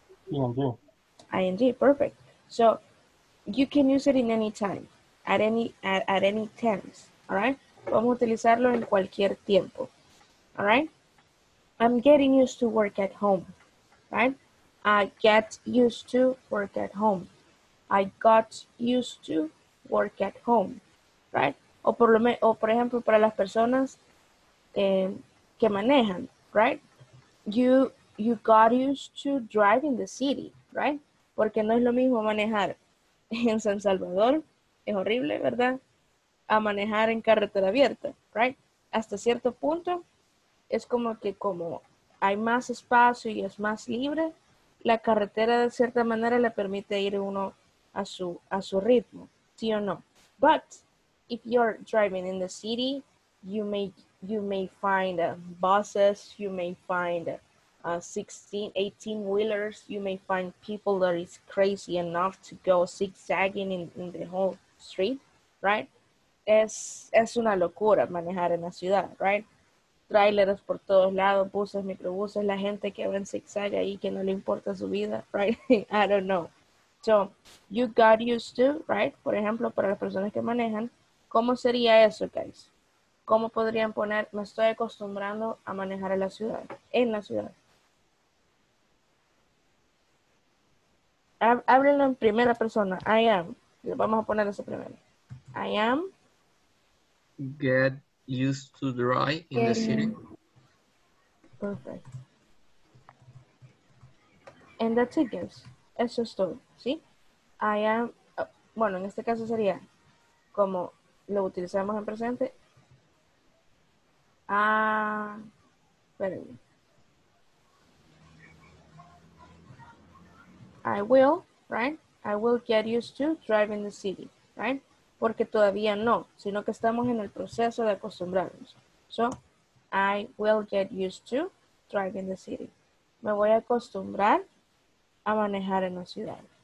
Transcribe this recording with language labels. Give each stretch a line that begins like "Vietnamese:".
English: ING. ING, perfect. So, you can use it in any time, at any tense, all right?
Spanish: Vamos a utilizarlo en cualquier tiempo,
English: all right? I'm getting used to work at home, right? I get used to work at home. I got used to work at home, right?
Spanish: O por ejemplo, para las personas que manejan, right?
English: You got used to driving the city, right?
Spanish: Porque no es lo mismo manejar en San Salvador, es horrible, ¿verdad? A manejar en carretera abierta, right? Hasta cierto punto, es como que como hay más espacio y es más libre, la carretera de cierta manera le permite ir uno a su ritmo, ¿sí o no?
English: But if you're driving in the city, you may find buses, you may find 16, 18 wheelers, you may find people that is crazy enough to go zigzagging in the whole street, right?
Spanish: Es una locura manejar en la ciudad, right? Trailers por todos lados, buses, microbuses, la gente que va en zigzag ahí que no le importa su vida, right?
English: I don't know. So, you got used to, right?
Spanish: Por ejemplo, para las personas que manejan, ¿cómo sería eso, guys? ¿Cómo podrían poner, me estoy acostumbrando a manejar en la ciudad? En la ciudad. Háblenlo en primera persona.
English: I am.
Spanish: Vamos a poner eso primero. I am.
English: Get used to drive in the city. Perfect. And that's it, guys.
Spanish: Eso es todo. ¿Sí?
English: I am, bueno, en este caso sería, como lo utilizamos en presente.
Spanish: Espérenme.
English: I will, right? I will get used to driving the city, right?
Spanish: Porque todavía no, sino que estamos en el proceso de acostumbrarnos.
English: So, I will get used to driving the city.
Spanish: Me voy a acostumbrar a manejar en la ciudad.